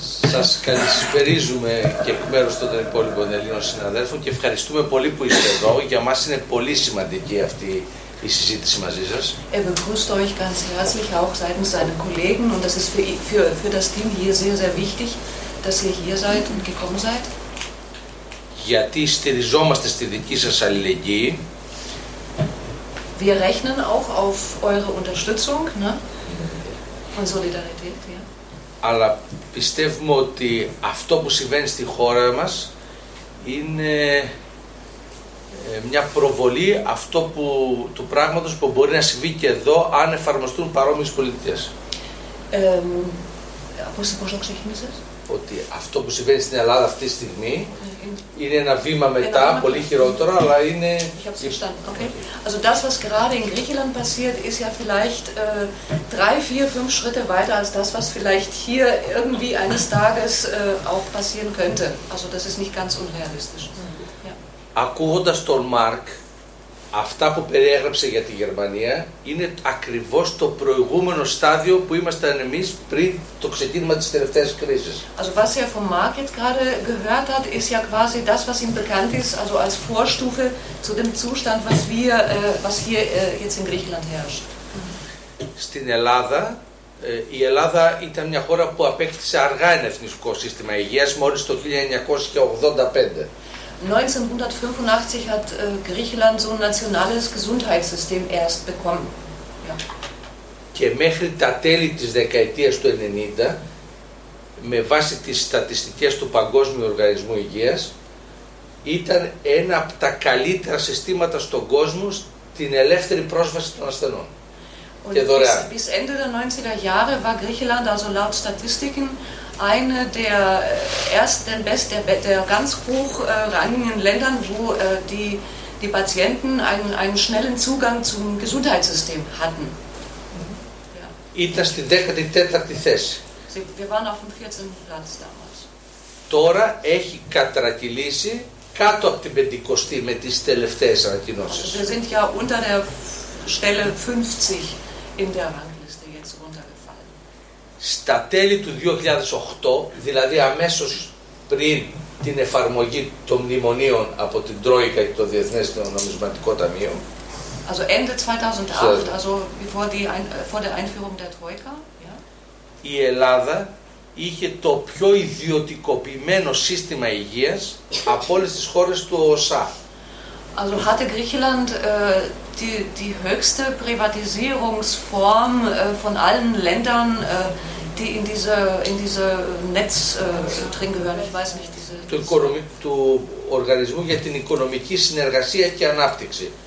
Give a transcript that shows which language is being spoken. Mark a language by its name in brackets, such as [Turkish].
[Greek] Σας καλησπέριζουμε και εκ μέρους των υπόλοιπων Ελλήνων συναδέλφων και ευχαριστούμε πολύ που είστε εδώ. Για μας είναι πολύ σημαντική αυτή η συζήτηση μαζί σας. [German] Er begrüßt euch ganz herzlich auch seitens seiner Kollegen und das ist für das Team hier sehr, sehr wichtig, dass ihr hier seid und gekommen seid. [Greek] Γιατί στηριζόμαστε στη δική σας αλληλεγγύη. [German] Wir rechnen auch auf eure Unterstützung, ne? Und Solidarität, ja. [Greek] Αλλά πιστεύουμε ότι αυτό που συμβαίνει στη χώρα μας είναι μια προβολή αυτό που του πράγματος που μπορεί να συμβεί και εδώ αν εφαρμοστούν παρόμοιες πολιτείες. Πώς το ξεκίνησες? Ότι αυτό που συμβαίνει στην Ελλάδα αυτή τη στιγμή είναι ένα βήμα μετά, πολύ χειρότερο, αλλά είναι... [German] Also das, was gerade in Griechenland passiert, ist ja vielleicht 3, 4, 5 Schritte weiter als das, was vielleicht hier irgendwie eines Tages auch passieren könnte. Also das ist nicht ganz unrealistisch. [Greek] Ακούγοντας τον Μάρκ, αυτά που περιέγραψε για τη Γερμανία είναι ακριβώς το προηγούμενο στάδιο που ήμασταν εμείς πριν το ξεκίνημα της τελευταίας κρίσης. [German] Also was er vom Mark jetzt gerade gehört hat, ist ja quasi das, was ihm bekannt ist, also als Vorstufe zu dem Zustand, was hier jetzt in Griechenland herrscht. [Greek] Στην Ελλάδα, η Ελλάδα ήταν μια χώρα που απέκτησε αργά ένα εθνικό σύστημα υγείας μόλις το 1985. [German] 1985 hat Griechenland so ein nationales Gesundheitssystem erst bekommen. Ja. [Greek] Και μέχρι τα τέλη της δεκαετίας του 90, με βάση τις στατιστικές του Παγκόσμιου Οργανισμού Υγείας, ήταν ένα από τα καλύτερα συστήματα στον κόσμο στην ελεύθερη πρόσβαση των ασθενών. [German] Bis Ende der 90er Jahre war Griechenland also laut Statistiken eine der ersten, der ganz hochrangigen Ländern, wo die Patienten einen schnellen Zugang zum Gesundheitssystem hatten. [Greek] Ήταν στην 14η θέση. [German] Wir waren auf dem 14. Platz damals. [Greek] Τώρα έχει κατρακυλήσει κάτω από την 50η με τις τελευταίες ανακοινώσεις. [German] Wir sind ja unter der Stelle 50. In der Rangliste jetzt runtergefallen. [Greek] Στα τέλη του 2008, δηλαδή αμέσως πριν την εφαρμογή των μνημονίων από την Τρόικα και το Διεθνές Νομισματικό Ταμείο. [German] Also Ende 2008, also vor der Einführung der Troika. [Greek] Η Ελλάδα είχε το πιο ιδιωτικοποιημένο σύστημα υγείας από όλες τις χώρες του ΟΣΑ. [German] Also hatte Griechenland die höchste Privatisierungsform von allen Ländern, die in diese Netz drin gehören. Ich weiß nicht, [Greek] του Οργανισμού για την Οικονομική Συνεργασία και Ανάπτυξη.